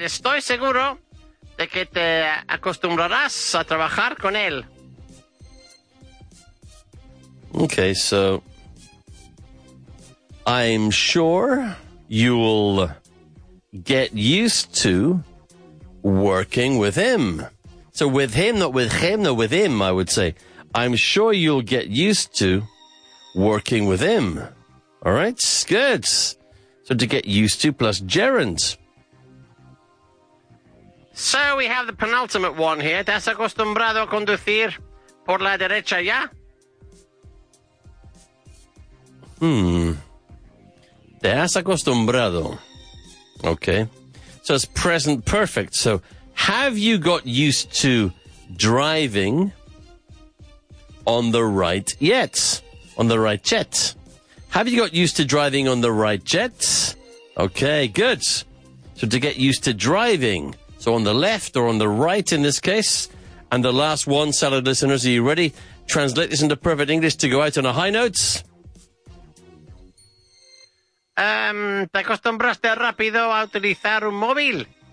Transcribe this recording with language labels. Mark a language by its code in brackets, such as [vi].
[es] Estoy seguro de que te acostumbrarás a trabajar con él. [en] Okay, so I'm sure you'll get used to working with him. So with him, not with him, though, with him, I would say. I'm sure you'll get used to working with him. All right, good. So to get used to, plus gerund. So we have the penultimate one here. [es] ¿Te has acostumbrado a conducir por la derecha ya? ¿Te has acostumbrado? [en] Okay. So it's present perfect. So have you got used to driving on the right yet? On the right jet. Have you got used to driving on the right jet? Okay, good. So to get used to driving. So on the left or on the right in this case. And the last one, salad listeners, are you ready? Translate this into perfect English to go out on a high note. [es] ¿Te acostumbraste rápido a utilizar un móvil?